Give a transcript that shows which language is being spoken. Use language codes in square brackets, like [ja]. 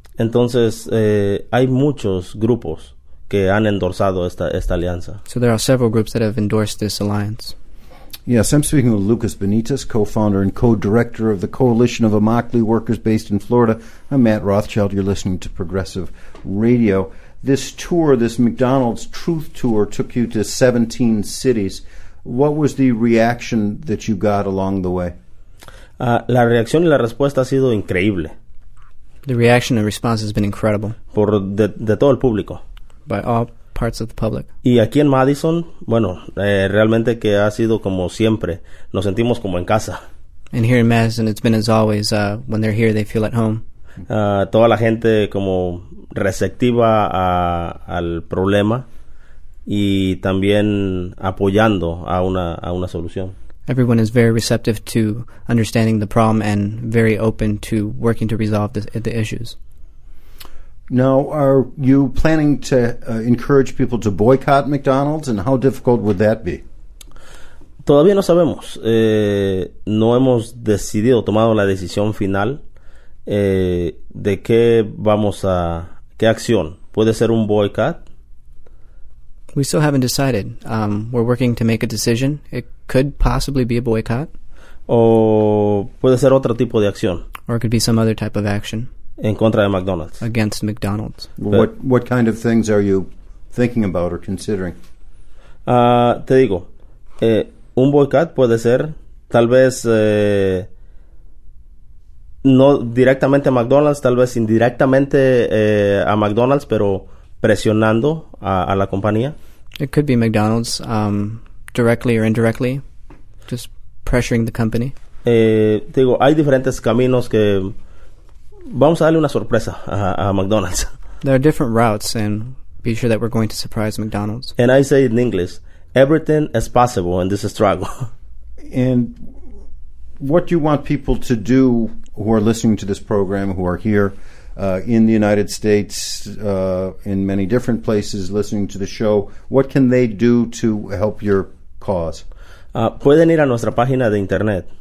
[es] Entonces, hay muchos grupos que han endorsado esta alianza. [en] So there are several groups that have endorsed this alliance. Yes, I'm speaking with Lucas Benitez, co-founder and co-director of the Coalition of Immokalee Workers based in Florida. I'm Matt Rothschild. You're listening to Progressive Radio. This tour, this McDonald's Truth Tour, took you to 17 cities. What was the reaction that you got along the way? [es] La reacción y la respuesta ha sido increíble. [en] The reaction and response has been incredible. [es] De todo el público. [en] By all parts of the public. [es] Y aquí en Madison, bueno, realmente que ha sido como siempre. Nos sentimos como en casa. [en] And here in Madison, it's been as always. When they're here, they feel at home. [es] Toda la gente como receptiva al problema y también apoyando a una solución. [en] Everyone is very receptive to understanding the problem and very open to working to resolve the issues. Now, are you planning to encourage people to boycott McDonald's, and how difficult would that be? [es] Todavía no sabemos. No hemos decidido, tomado la decisión final de qué vamos a, qué acción. ¿Puede ser un boycott? [en] We still haven't decided. We're working to make a decision. It could possibly be a boycott. [es] O puede ser otro tipo de acción. [en] Or it could be some other type of action. [es] En contra de McDonald's. [en] Against McDonald's. What kind of things are you thinking about or considering? [es] Te digo, un boycott puede ser tal vez no directamente a McDonald's, tal vez indirectamente a McDonald's, pero presionando a la compañía. [en] It could be McDonald's, directly or indirectly, just pressuring the company. [es] Digo, hay diferentes caminos que vamos a darle una sorpresa a McDonald's. [en] There are different routes, and be sure that we're going to surprise McDonald's. And I say in English, everything is possible in this struggle. And what do you want people to do who are listening to this program, who are here in the United States, in many different places, listening to the show, what can they do to help your cause? [es] Pueden ir a nuestra página de internet.